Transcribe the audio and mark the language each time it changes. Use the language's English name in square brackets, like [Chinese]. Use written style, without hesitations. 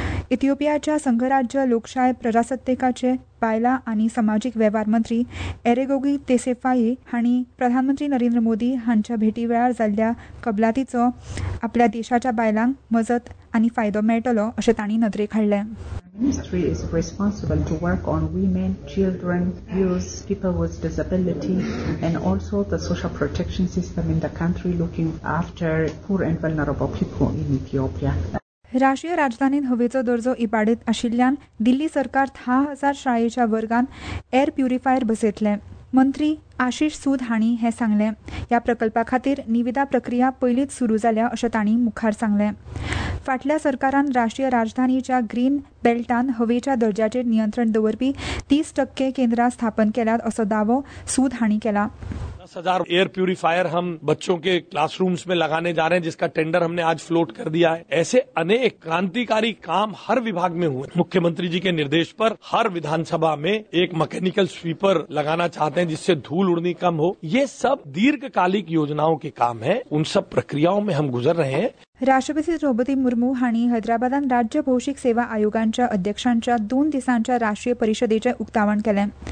[Goan Konkani] इथियोपियाच्या संघराज्य लोकशाय प्रजासत्तेकाचे बायलां आनी समाजीक वेव्हार मंत्री एरेगोगी तेसेफाई हांणी प्रधानमंत्री नरेंद्र मोदी हांच्या भेटी वेळार जाल्ल्या कबलातीचो आपल्या देशाच्या बायलांक मजत आनी फायदो मेळटलो अशें तांणी नदरेक हाडलें. [English] Ministry is responsible to work on women, children, youth, people with disability, and also the social protection system in the country looking after poor and vulnerable people in Ethiopia. [Goan Konkani] राष्ट्रीय राजधानीत हवेचो दर्जो इबाडीत आशिल्ल्यान दिल्ली सरकार 10,000 शाळेच्या वर्गांत एअर प्युरिफायर बसयतले. मंत्री आशिष सूद हांणी हे सांगले. ह्या प्रकल्पा खातीर निविदा प्रक्रिया पयलींच सुरू जाल्या अशें तांणी मुखार सांगले. फाटल्या सरकारान राष्ट्रीय राजधानीच्या ग्रीन बेल्टान हवेच्या दर्जाचेर नियंत्रण दवरपी 30% केंद्रां स्थापन केल्यात असो दावो सूद हांणी केला. [Hindi] 10,000 एयर प्यूरिफायर हम बच्चों के क्लासरूम्स में लगाने जा रहे हैं, जिसका टेंडर हमने आज फ्लोट कर दिया है. ऐसे अनेक क्रांतिकारी काम हर विभाग में हुए. मुख्यमंत्री जी के निर्देश पर हर विधानसभा में एक मैकेनिकल स्वीपर लगाना चाहते हैं, जिससे धूल उड़नी कम हो. ये सब दीर्घकालिक योजनाओं के काम है, उन सब प्रक्रियाओं में हम गुजर रहे हैं. [Goan Konkani] राष्ट्रपती द्रौपदी मुर्मू हांणी हैदराबादांत राज्य भौशीक सेवा आयोगांच्या अध्यक्षांच्या 2 दिसांच्या राष्ट्रीय परिषदेचे उक्तावण केले.